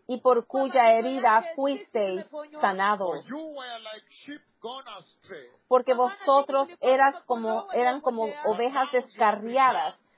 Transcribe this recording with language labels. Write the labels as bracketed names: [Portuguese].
[Spanish] Y por cuya herida fuisteis sanados. [English] For you were like sheep gone astray. [Spanish] Porque vosotros eran como ovejas descarriadas.